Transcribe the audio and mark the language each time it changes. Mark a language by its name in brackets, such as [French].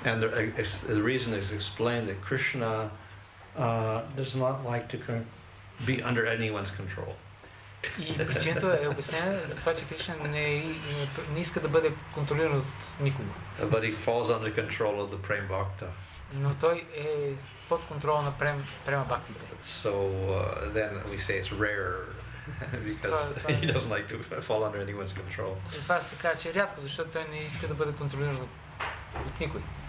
[English] And the reason is explained that Krishna does not like to be under anyone's control. [Bulgarian] И причината е обяснена за това, че Кришна не иска да бъде контролиран от никого. [English] But he falls under control of the Prem Bhakta. [Bulgarian] Но той е под контрол на према бхактите. [English] So then we say it's rare because he doesn't like to fall under anyone's control. [Bulgarian] Това се казва, че рядко, защото той не иска да бъде контролиран от никой.